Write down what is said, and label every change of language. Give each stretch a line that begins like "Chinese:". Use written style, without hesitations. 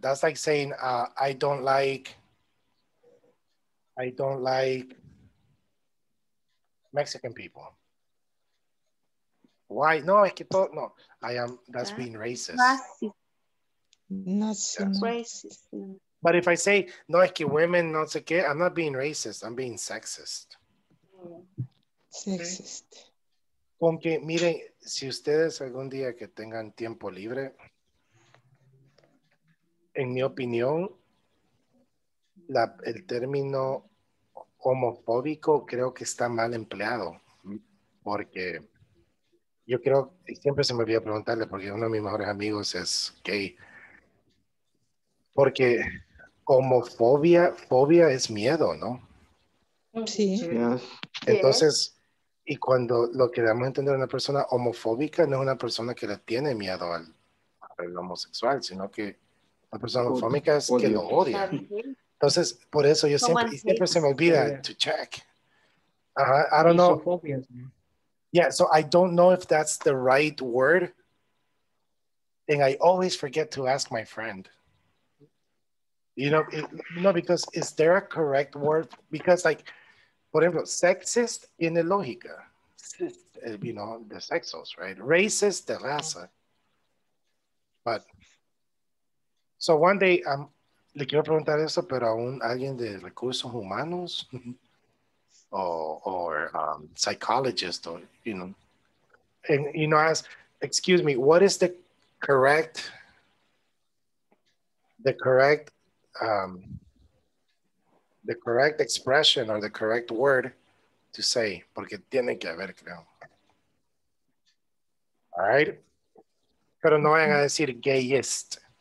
English: That's like saying, I don't like Mexican people. Why?
Spanish: No, es que todo, no.
English: That's being racist. Racist. But if I say,
Spanish: no, es que
English: women,
Spanish: no sé qué,
English: I'm not being racist, I'm being sexist. Sexist. Okay.
Spanish: Con que, miren, si ustedes algún día que tengan tiempo libre, en mi opinión, el término homofóbico creo que está mal empleado, porque yo creo, siempre se me olvida preguntarle, porque uno de mis mejores amigos es gay, porque homofobia, fobia es miedo, ¿no? Sí. Entonces, y cuando lo que damos a entender a una persona homofóbica, no es una persona que le tiene miedo al homosexual, sino que la persona homofóbica es odio. Que lo odia. Entonces, por eso yo siempre se me olvida
English: to check. I don't know. Yeah, so I don't know if that's the right word. And I always forget to ask my friend. You know, because is there a correct word? Because like,
Spanish: por ejemplo, sexist tiene lógica.
English: You know, the sexos, right? Racist, the raza. But, so one day,
Spanish: le quiero preguntar eso, pero a alguien de recursos humanos
English: or psychologist, or, you know. And, you know, ask, excuse me, what is the correct expression or the correct word to say?
Spanish: Porque tiene que haber, creo.
English: All right,
Spanish: pero no vayan a decir gayest.